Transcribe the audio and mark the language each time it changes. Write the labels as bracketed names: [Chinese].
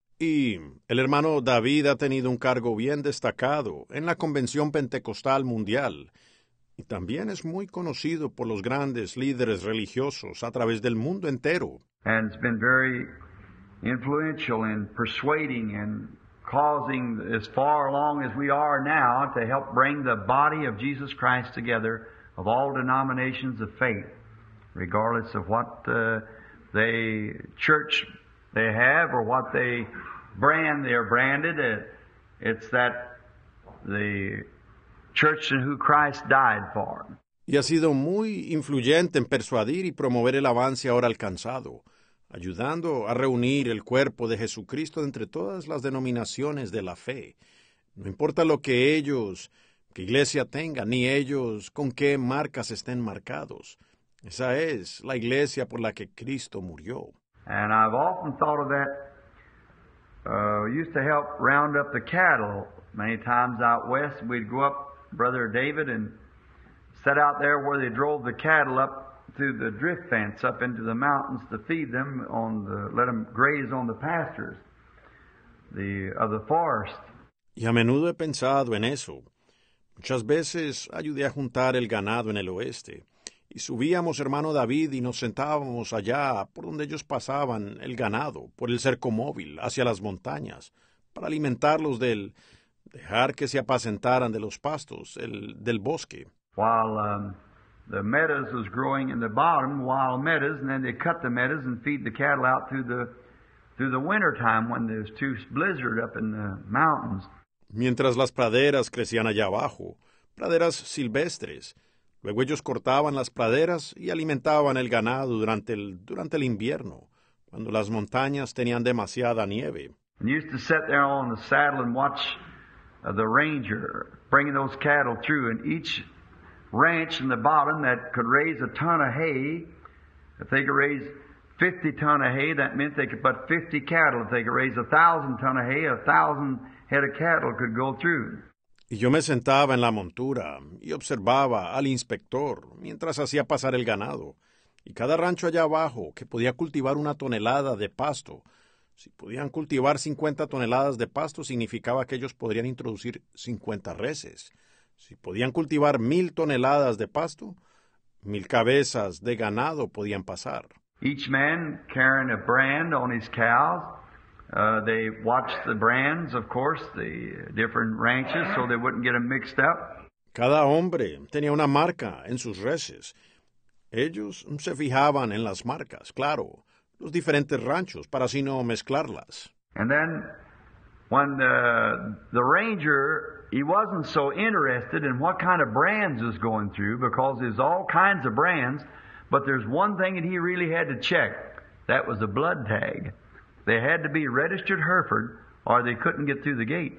[Spanish] Y el hermano David ha tenido un cargo bien destacado en la Convención Pentecostal Mundial y también es muy conocido por los grandes líderes religiosos a través del mundo entero. [English] And it's been very influential in persuading and causing as far along as we are now to help bring the body of Jesus Christ together of all denominations of faith, regardless of what they church they have or what they brand they are branded. It's that the church in who Christ died for. [Spanish] Y ha sido muy influyente en persuadir y promover el avance ahora alcanzado, ayudando a reunir el cuerpo de Jesucristo entre todas las denominaciones de la fe. No importa lo que ellos, qué iglesia tengan, ni ellos con qué marcas estén marcados. Esa es la iglesia por la que Cristo murió. [English] And I've often thought of that. Used to help round up the cattle many times out west. We'd go up, Brother David, and set out there where they drove the cattle up through the drift fence up into the mountains to feed them on the, let them graze on the pastures of the forest. [Spanish] Y a menudo he pensado en eso. Muchas veces ayudé a juntar el ganado en el oeste. Y subíamos, hermano David, y nos sentábamos allá por donde ellos pasaban el ganado, por el cerco móvil, hacia las montañas, para alimentarlos del dejar que se apacentaran de los pastos, del bosque. [English] While the meadows was growing in the bottom, wild meadows, and then they cut the meadows and feed the cattle out through the winter time when there's too blizzard up in the mountains. [Spanish] Mientras las praderas crecían allá abajo, praderas silvestres, luego ellos cortaban las praderas y alimentaban el ganado durante el invierno, cuando las montañas tenían demasiada nieve. [English] And used to sit there on the saddle and watch the ranger bringing those cattle through, and each ranch in the bottom that could raise a ton of hay, if they could raise 50 ton of hay, that meant they could put 50 cattle. If they could raise 1,000 ton of hay, 1,000 head of cattle could go through. [Spanish] Y yo me sentaba en la montura y observaba al inspector mientras hacía pasar el ganado. Y cada rancho allá abajo que podía cultivar una tonelada de pasto, si podían cultivar 50 toneladas de pasto, significaba que ellos podrían introducir 50 reses. Si podían cultivar 1,000 toneladas de pasto, 1,000 cabezas de ganado podían pasar. [English] Each man carrying a brand on his cows. They watched the brands, of course, the different ranches, so they wouldn't get them mixed up. [Spanish] Cada hombre tenía una marca en sus reses. Ellos se fijaban en las marcas, claro, los diferentes ranchos, para así no mezclarlas. [English] And then when the ranger, he wasn't so interested in what kind of brands is going through, because there's all kinds of brands, but there's one thing that he really had to check. That was the blood tag. They had to be registered Hereford, or they couldn't get through the gate.